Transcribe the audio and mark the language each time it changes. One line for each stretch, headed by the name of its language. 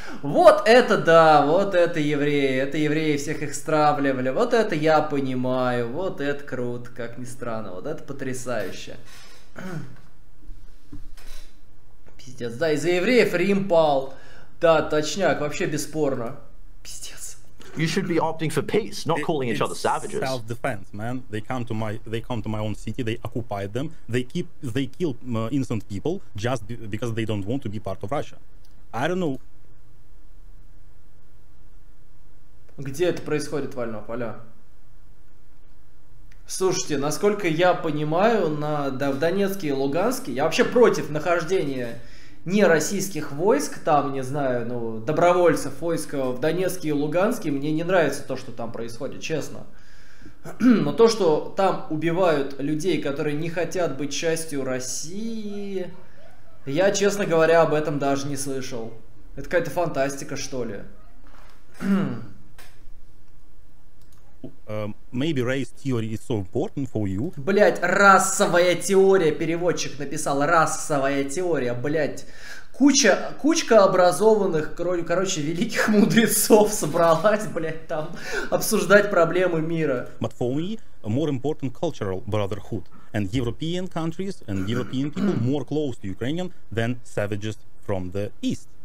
Russian: Вот это да, вот это евреи всех их стравливали, вот это я понимаю, вот это круто, как ни странно, вот это потрясающе. Пиздец, да, из-за евреев Рим пал, да, точняк, вообще бесспорно, пиздец.
English: You should be opting for peace, not calling each other savages. It's self-defense, man. They come to my own city, they occupy them, they kill innocent people just because they don't want to be part of Russia. I don't know.
Russian: Где это происходит, Вольнов? Алло. Слушайте, насколько я понимаю, в Донецке и Луганске, я вообще против нахождения не российских войск, там, не знаю, ну, добровольцев войск в Донецке и Луганске, мне не нравится то, что там происходит, честно. Но то, что там убивают людей, которые не хотят быть частью России, я, честно говоря, об этом даже не слышал. Это какая-то фантастика, что ли.
English: Maybe race theory is so important for you.
Russian: Блять, расовая теория. Переводчик написал расовая теория. Блять, кучка образованных, короче, великих мудрецов собралась, блять, там обсуждать проблемы мира.
English: But for me, more important cultural brotherhood and European countries and European people more close to Ukrainian than savages from the east.